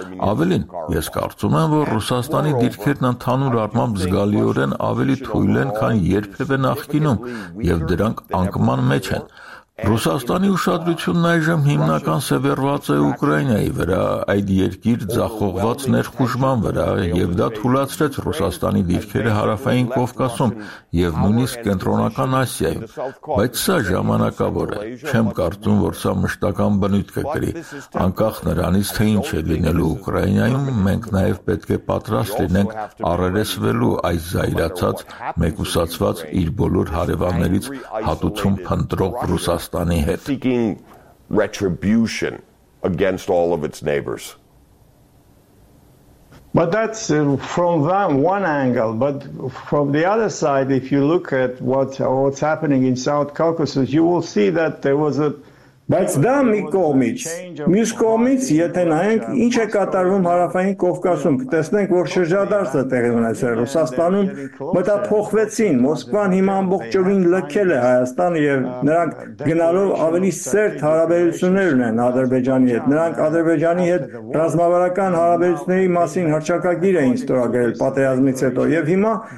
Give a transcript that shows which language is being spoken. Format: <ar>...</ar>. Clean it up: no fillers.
<hy>Ավելին, ես կարծում եմ, որ Ռուսաստանի դիրքերն ընդհանուր առմամբ զգալիորեն ավելի թույլ են, քան երբևէ նախկինում, և դրանք անկման մեջ են։ Ռուսաստանի ուշադրությունն այժմ հիմնական սևեռված է Ուկրաինայի վրա, այդ երկիր ձախողված ներխուժման վրա, և դա թուլացրեց Ռուսաստանի դիրքերը Հարավային Կովկասում և նույնիսկ Կենտրոնական Ասիայում, բայց սա ժամանակավոր է, չեմ կարծում, որ սա մշտական բնույթ կգրի, անկախ նրանից, թե ինչ է լինելու Ուկրաինայում, մենք նաև պետք է պատրաստ լինենք առերեսվելու այս զայրացած, մեկուսացված իր բոլոր հարևաններից հատուցում փնտրող Ռուսաստանի</hy> <en>seeking retribution against all of its neighbors. But that's from one angle, but from the other side, if you look at what's happening in South Caucasus, you will see that there was a</en> <hy>Բայց դա մի կողմից, մյուս կողմից, եթե նայենք, ինչ է կատարվում Հարավային Կովկասում, կտեսնենք, որ շրջադարձը տեղի ունեցել Ռուսաստանում, մտափոխվեցին, Մոսկվան հիմա ամբողջովին լքել է Հայաստանը և նրանք գնալով ավելի սերտ հարաբերություններ ունեն Ադրբեջանի հետ, նրանք Ադրբեջանի հետ ռազմավարական հարաբերությունների մասին հռչակագիր էին ստորագրել պատերազմից հետո, և հիմա</hy>